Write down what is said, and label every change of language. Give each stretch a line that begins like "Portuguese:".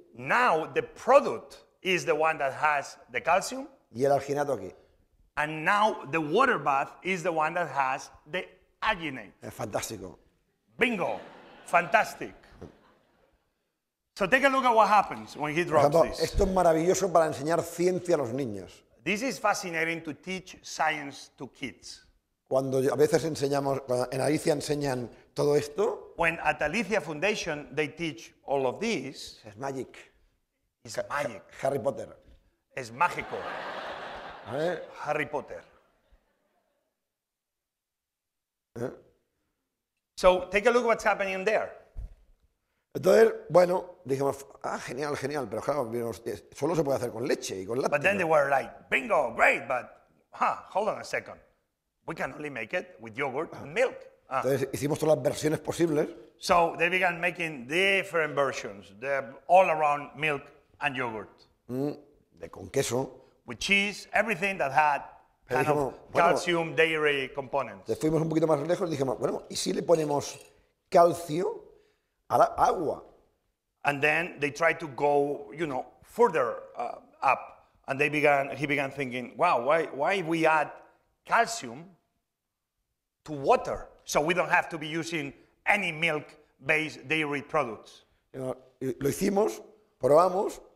English: Now the product is the one that has the calcium.
Spanish: Y el alginato aquí.
English: And now the water bath is the one that has the alginate.
Spanish: Es fantástico.
English: Bingo. Fantastic. So take a look at what happens when he drops
Spanish: ejemplo,
English: this.
Spanish: Esto es maravilloso para enseñar ciencia a los niños.
English: This is fascinating to teach science to kids.
Spanish: Cuando a veces enseñamos, cuando en Alicia enseñan todo esto.
English: When at Alicia Foundation they teach all of this.
Spanish: Es magic.
English: It's magic. Harry Potter.
Spanish: Es mágico. ¿Eh?
English: Harry Potter. ¿Eh? So take a look what's happening there.
Spanish: Entonces, bueno, dijimos, ah, genial, genial, pero claro, solo se puede hacer con leche y con lácteos.
English: But then they were like, bingo, great, but, huh, hold on a second. We can only make it with yogurt and milk.
Spanish: Entonces hicimos todas las versiones posibles.
English: So they began making different versions, the all around milk and yogurt.
Spanish: De con queso.
English: With cheese, everything that had kind
Spanish: dijimos,
English: of calcium, bueno, dairy components.
Spanish: Entonces fuimos un poquito más lejos y dijimos, bueno, ¿y si le ponemos calcio a la agua?
English: And then they tried to go, you know, further up. And they began, he began thinking, wow, why we add calcium to water so we don't have to be using any milk-based dairy products? You know,
Spanish: lo hicimos, probamos.